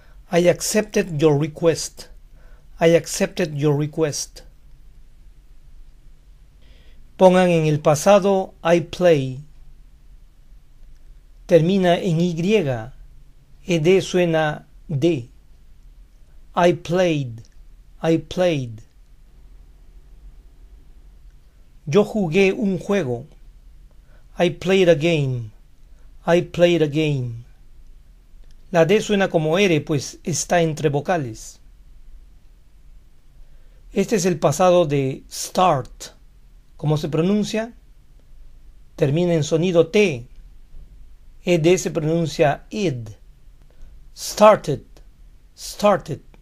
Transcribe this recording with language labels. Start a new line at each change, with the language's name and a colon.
English: I accepted your request. I accepted your request.
Spanish: Pongan en el pasado
English: I play.
Spanish: Termina en Y. ED suena D.
English: I played. I played.
Spanish: Yo jugué un juego.
English: I played a game. I played a game.
Spanish: La D suena como R, pues está entre vocales. Este es el pasado de start. ¿Cómo se pronuncia? Termina en sonido T. ED se pronuncia ID.
English: Started. Started.